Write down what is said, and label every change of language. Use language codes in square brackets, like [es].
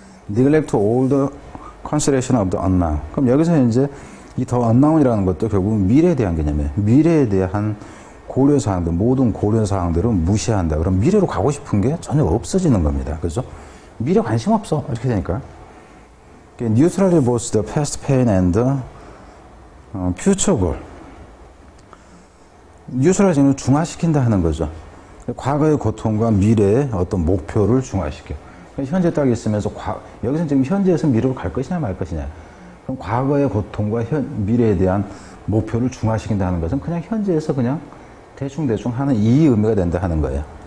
[en] Neglect all the consideration of the unknown. [ko] 그럼 여기서 이제 이 the unknown이라는 것도 결국 미래에 대한 개념이에요. 미래에 대한 고려사항들, 모든 고려사항들은 무시한다. 그럼 미래로 가고 싶은 게 전혀 없어지는 겁니다. 그죠? 미래 관심 없어. 이렇게 되니까. [en] Neutrally both the past pain and the future goal. [ko] 뉴스라지는 중화시킨다 하는 거죠. 과거의 고통과 미래의 어떤 목표를 중화시켜. 현재 딱 있으면서, 여기서 지금 현재에서 미래로 갈 것이냐, 말 것이냐. 그럼 과거의 고통과 미래에 대한 목표를 중화시킨다 하는 것은 그냥 현재에서 그냥 대충대충 하는 이 의미가 된다 하는 거예요.